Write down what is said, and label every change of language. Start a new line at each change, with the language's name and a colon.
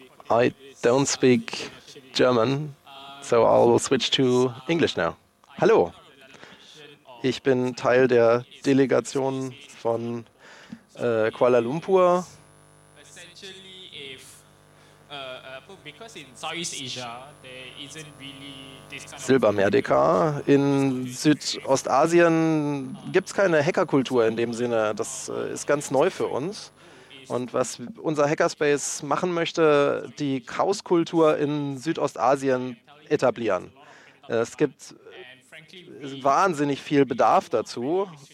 English: I don't speak German, so I'll switch to English now.
German: Hallo. Ich bin Teil der Delegation von Kuala Lumpur.
English: Essentially, because in Southeast Asia, there isn't really this kind of... Silbermeerdekar.
German: In Südostasien gibt es keine Hackerkultur in dem Sinne. Das ist ganz neu für uns. Und was unser Hackerspace machen möchte, die Chaoskultur in Südostasien etablieren. Es gibt wahnsinnig viel Bedarf dazu.